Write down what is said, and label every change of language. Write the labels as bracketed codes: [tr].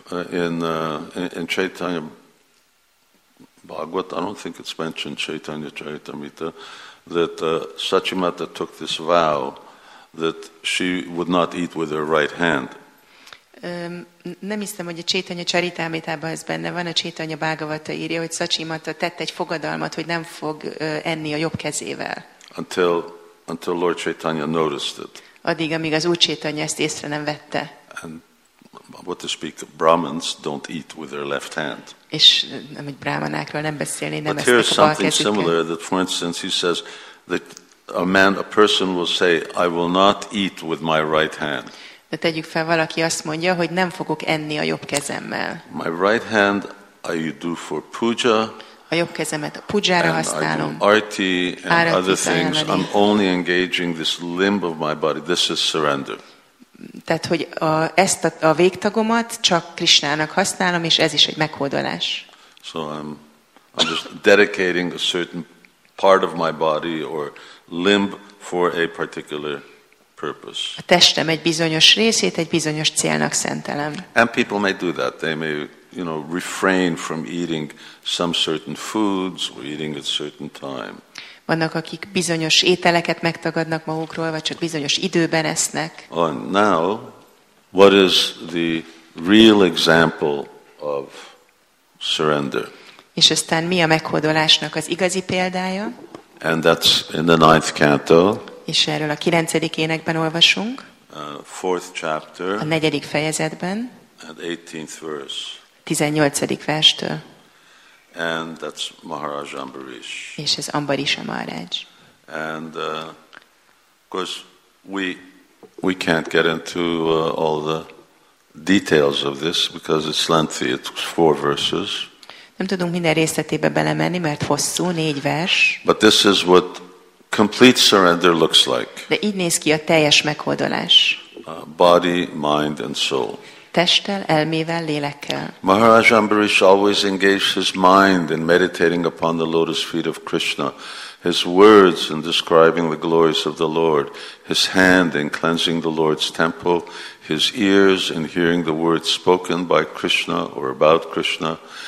[en] In Chaitanya Bhagavat, I don't think it's mentioned Chaitanya Charitamrita, that Sachimata took this vow that she would not eat with her right hand. [hu] Nem hiszem, hogy a Chaitanya Charitamritában ez benne van, a Chaitanya Bhagavata írja, hogy Sachimata tett egy fogadalmat, hogy nem fog enni a jobb kezével. [en] Until Lord Chaitanya noticed it. [hu] Addig, amíg az Úr Chaitanya ezt észre nem vette. [en] And what to speak, the Brahmins don't eat with their left hand. [hu] És nem, hogy brahmanákról nem beszélni, nem eztek a bal kezükkel. [en] But here's something similar, that for instance he says that a person will say, I will not eat with my right hand. [hu] De tegyük fel, valaki azt mondja, hogy nem fogok enni a jobb kezemmel. [en] My right hand I do for puja. [hu] A jobb kezemet a pujára használom. [en] Arti and other things. I'm only engaging this limb of my body. This is surrender. [hu] Tehát, hogy ezt a végtagomat csak Krishnának használom, és ez is egy meghódolás. [en] So I'm just dedicating a certain part of my body or limb for a particular purpose. [hu] A testem egy bizonyos részét egy bizonyos célnak szentelem. [en] And people may do that. They may, you know, refrain from eating some certain foods or eating at a certain time. [hu] Vannak, akik bizonyos ételeket megtagadnak magukról, vagy csak bizonyos időben esznek. [en] And now, what is the real example of surrender? [hu] És aztán mi a meghódolásnak az igazi példája? [en] And that's in the ninth canto. [hu] És erről a 9. énekben olvasunk. [en] Fourth chapter. [hu] A 4. fejezetben. [en] And 18th verse. [hu] 18. verstől. [en] And that's Maharaj Ambarish. [hu] És ez Ambarisha Maharaj. [en] And of course we can't get into all the details of this because it's lengthy. It's 4 verses. [hu] Nem tudunk minden részletébe belemenni, mert hosszú, 4 vers. [en] But this is what complete surrender looks like. [hu] De így néz ki a teljes meghódolás. [en] Body, mind and soul. [hu] Testtel, elmével, lélekkel. [en] Maharaj Ambarish always engaged his mind in meditating upon the lotus feet of Krishna, his words in describing the glories of the Lord, his hand in cleansing the Lord's temple, his ears in hearing the words spoken by Krishna or about Krishna.